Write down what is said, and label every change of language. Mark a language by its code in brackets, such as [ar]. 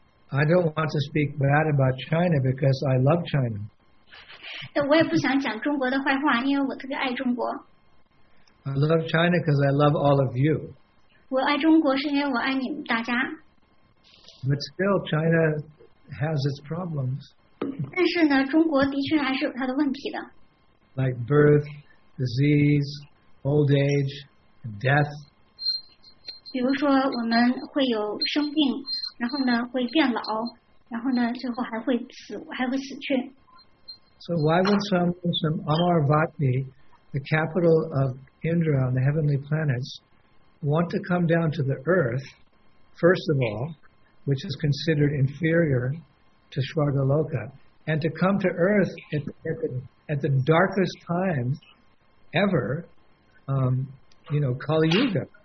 [en] I don't want to speak bad about China because I love China. [zh] 我也不想讲中国的坏话，因为我特别爱中国。 [en] I love China because I love all of you. [zh] 我爱中国是因为我爱你们大家。 [en] But still, China has its problems. [zh] 但是呢，中国的确还是有它的问题的。 [en] Like birth, disease, old age, death. [zh] 比如说，我们会有生病，然后呢，会变老，然后呢，最后还会死去。 [en] So why would someone from Amaravati, the capital of Indra on the heavenly planets, want to come down to the earth, first of all, which is considered inferior to Swargaloka, and to come to earth at the darkest time ever, you know, Kali Yuga?